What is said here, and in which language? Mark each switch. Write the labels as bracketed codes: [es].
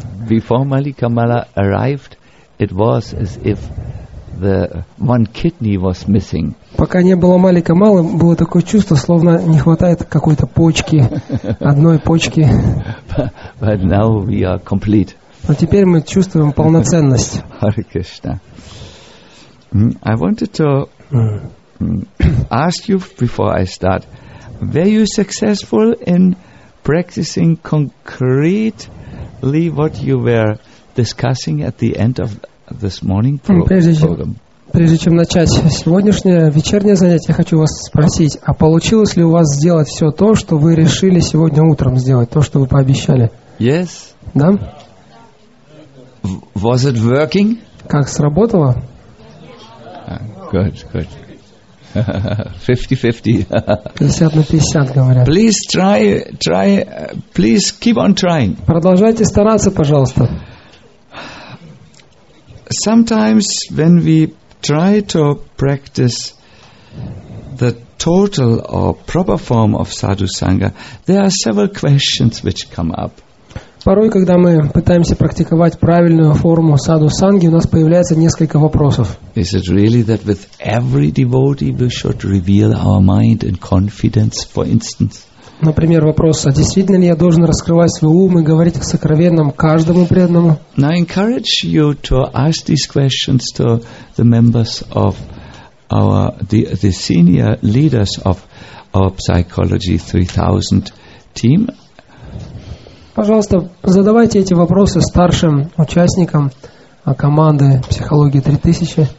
[en] Before Malika Mala arrived, it was as if the one kidney was missing. [ru] Пока не было Малика Малы, было такое чувство, словно не хватает какой-то почки, одной почки. [en] But now we are complete. [ru] Но теперь мы чувствуем полноценность. [en] Hare Krishna. I wanted to ask you before I start, were you successful in practicing concretely what you were discussing at the end of this morning program? [ru] Прежде чем начать сегодняшнее вечернее занятие, я хочу вас спросить, а получилось ли у вас сделать все то, что вы решили сегодня утром сделать, то, что вы пообещали? [en] Yes. [ru] Да? [en] Was it working? [ru] Как, сработало? [en] Good, good. 50-50. [ru] 50-50, говорят. [en] Please try, please keep on trying. [ru] Продолжайте стараться, пожалуйста. [en] Sometimes when we try to practice the total or proper form of sadhu sangha, there are several questions which come up. [ru] Порой, когда мы пытаемся практиковать правильную форму саду санги, у нас появляется несколько вопросов. [en] Is it really that with every devotee we should reveal our mind and confidence, for instance? [ru] Например, вопрос: а действительно ли я должен раскрывать свой ум и говорить о сокровенном каждому преданному? [en] Now I encourage you to ask these questions to the members of our the senior leaders of our Psychology 3000 team. [ru] Пожалуйста, задавайте эти вопросы старшим участникам команды психологии 3000.